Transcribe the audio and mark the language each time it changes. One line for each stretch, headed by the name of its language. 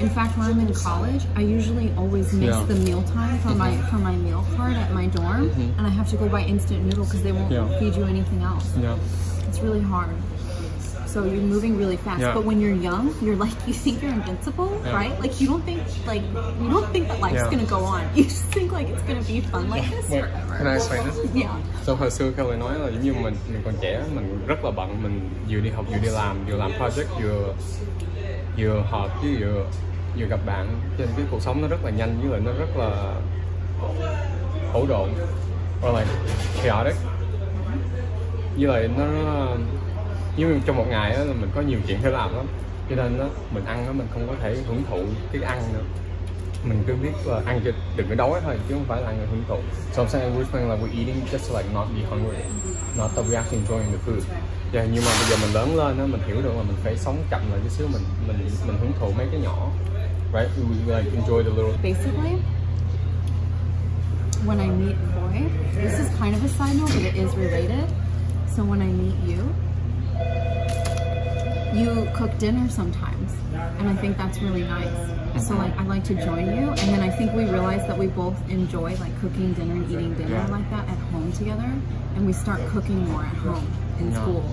English: In fact, when I'm in college, I usually always miss the meal time for my meal card at my dorm, and I have to go buy instant noodle because they won't feed you anything else. Yeah. It's really hard. So you're moving really fast. Yeah. But when you're young, you're like, you think you're invincible, right? Like you don't think that life's gonna go on. You just think like it's gonna be fun like this forever. Can I explain this? Yeah.
Vietnamese: So hồi xưa khi mình nói là giống như mình còn trẻ, mình rất là bận, mình vừa đi học, vừa đi làm, vừa làm project, vừa học, vừa gặp bạn. Cho nên cái cuộc sống nó rất là nhanh, với lại nó rất là hỗn độn,
English: or like chaotic.
Vietnamese: Như là nó như trong một ngày là mình có nhiều chuyện phải làm lắm, cho nên đó, mình ăn đó, mình không có thể hưởng thụ cái ăn nữa, mình cứ biết là ăn cho đừng có đói thôi chứ không phải là ăn để hưởng thụ.
English: So I'm saying we're saying like we're eating just like not be hungry, not that we actually enjoying the food.
Vietnamese: Yeah, nhưng mà bây giờ mình lớn lên đó, mình hiểu được là mình phải sống chậm lại chút xíu, mình hưởng thụ mấy cái nhỏ, right?
English: We like enjoy the little. Basically, when I meet Roy, this is kind of a side note, but it is related. So when I meet you, you cook dinner sometimes, and I think that's really nice. So like, I like to join you, and then I think we realize that we both enjoy like cooking dinner and eating dinner like that at home together, and we start cooking more at home in school.